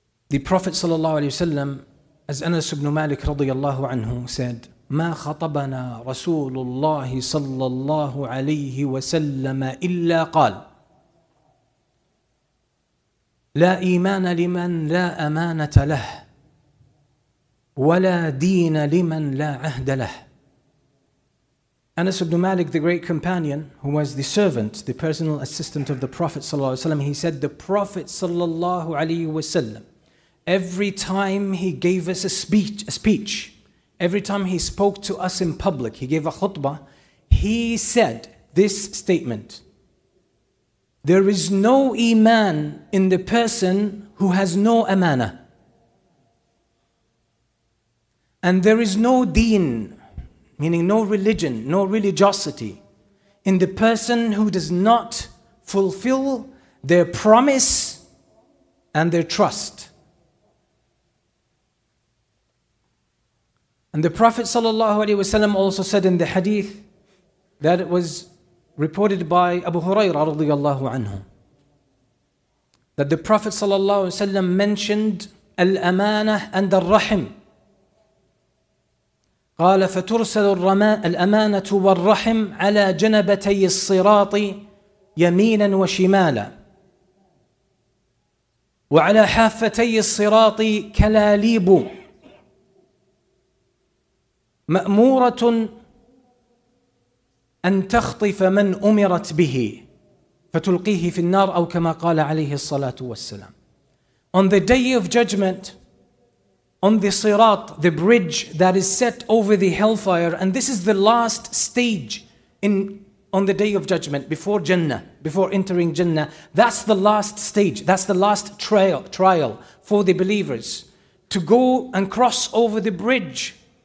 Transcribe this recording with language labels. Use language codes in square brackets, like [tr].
[en] The Prophet [ar] صلى الله عليه وسلم, [en] as Anas ibn Malik [ar] رضي الله عنه [en] said, [ar] ما خطبنا رسول الله صلى الله عليه وسلم إلا قال لا إيمان لمن لا أمانة له ولا دين لمن لا عهد له. [en] Anas ibn Malik, the great companion, who was the servant, the personal assistant of the Prophet [ar] صلى الله عليه وسلم, [en] he said, the Prophet صلى الله عليه وسلم, every time he gave us a speech, every time he spoke to us in public, he gave a khutbah, he said this statement, there is no iman in the person who has no amana. And there is no deen, meaning no religion, no religiosity, in the person who does not fulfill their promise and their trust. And the Prophet sallallahu alaihi wasallam also said in the hadith that it was reported by Abu Hurairah radiyallahu anhu that the Prophet sallallahu alaihi wasallam mentioned al-amanah and al-rahim. [ar] قال فترسل الأمانة والرحم على جنبتي الصراط يمينا وشمالا وعلى حافتي الصراط كلاليب مأمورة أن تخطف من أمرت به فتلقيه في النار أو كما قال عليه الصلاة والسلام. [en] On the day of judgment, on the Sirat, the bridge that is set over the hellfire, and this is the last stage on the day of judgment before Jannah, before entering Jannah, that's the last stage, that's the last trial for the believers to go and cross over the bridge.